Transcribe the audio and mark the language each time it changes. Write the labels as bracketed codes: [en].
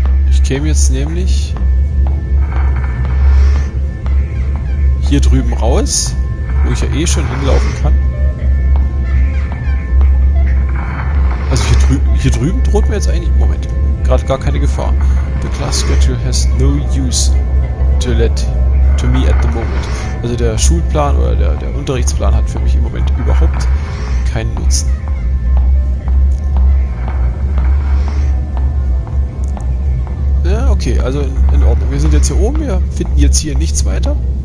[de] Ich käme jetzt nämlich hier drüben raus, wo ich ja eh schon hinlaufen kann. Also hier drüben droht mir jetzt eigentlich im Moment gerade gar keine Gefahr. [en] The class schedule has no use to me at the moment. [de] Also der Schulplan oder der Unterrichtsplan hat für mich im Moment überhaupt keinen Nutzen. Ja, Okay, also in Ordnung. Wir sind jetzt hier oben, wir finden jetzt hier nichts weiter.